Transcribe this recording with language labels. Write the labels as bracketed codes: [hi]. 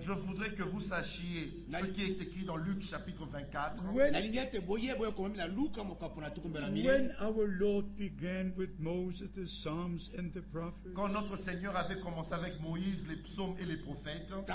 [fr] Je voudrais que vous sachiez ce qui est écrit dans Luc chapitre 24. [en] When our Lord began with Moses, the Psalms and the Prophets. [fr] Quand notre Seigneur avait commencé avec Moïse, les psaumes et les prophètes.